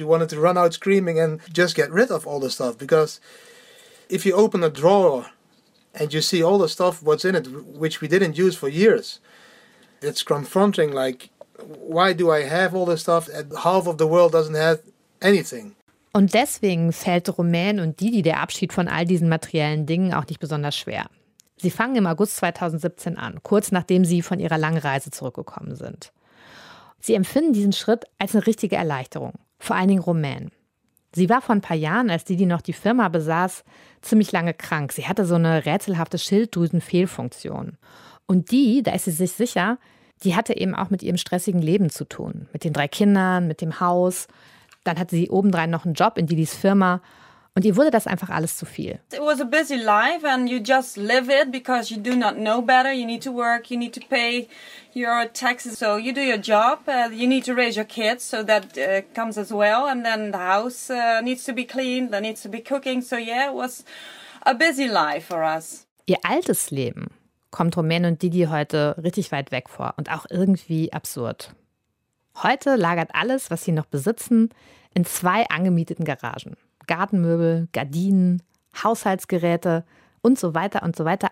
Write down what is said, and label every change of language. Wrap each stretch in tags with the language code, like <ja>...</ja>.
<en>We wanted to run out screaming and just get rid of all the stuff. Because if you open a drawer and you see all the stuff what's in it, which we didn't use for years, it's confronting, like, why do I have all this stuff and half of the world doesn't have anything?</en> <de>Und deswegen fällt Romain und Didi der Abschied von all diesen materiellen Dingen auch nicht besonders schwer. Sie fangen im August 2017 an, kurz nachdem sie von ihrer langen Reise zurückgekommen sind. Sie empfinden diesen Schritt als eine richtige Erleichterung, vor allen Dingen Romain. Sie war vor ein paar Jahren, als Didi noch die Firma besaß, ziemlich lange krank. Sie hatte so eine rätselhafte Schilddrüsenfehlfunktion. Und die, da ist sie sich sicher, die hatte eben auch mit ihrem stressigen Leben zu tun. Mit den drei Kindern, mit dem Haus. Dann hatte sie obendrein noch einen Job in Didis Firma. Und ihr wurde das einfach alles zu viel.</de> <en>It was a busy life and you just live it because you do not know better. You need to work, you need to pay your taxes. So you do your job, you need to raise your kids, so that comes as well. And then the house needs to be cleaned, there needs to be cooking. So yeah, it was a busy life for us.</en> <de>Ihr altes Leben kommt Romain und Didi heute richtig weit weg vor und auch irgendwie absurd. Heute lagert alles, was sie noch besitzen, in zwei angemieteten Garagen. Gartenmöbel, Gardinen, Haushaltsgeräte und so weiter und so weiter.</de>